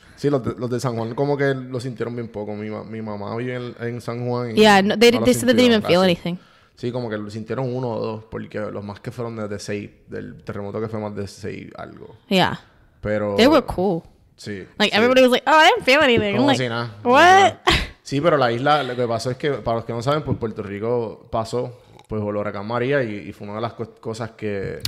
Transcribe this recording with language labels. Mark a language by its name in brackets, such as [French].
[Spanish] Sí, los de San Juan como que lo sintieron bien poco. Mi mamá vive en San Juan. [English] Y yeah, they said they didn't even feel anything. [Spanish] Sí, como que lo sintieron uno o dos. Porque los más que fueron de 6, del terremoto que fue más de 6 algo. [English] Yeah. [Spanish] Pero. [English] They were cool. [Spanish] Sí. [English] Like [Spanish] sí. [English] Everybody was like, oh, I didn't feel anything. [Spanish] Como [English] like, [Spanish] si nada. [English] What? [Spanish] Sí, pero la isla, lo que pasó es que, para los que no saben, pues Puerto Rico pasó, pues, el huracán María y fue una de las cosas que...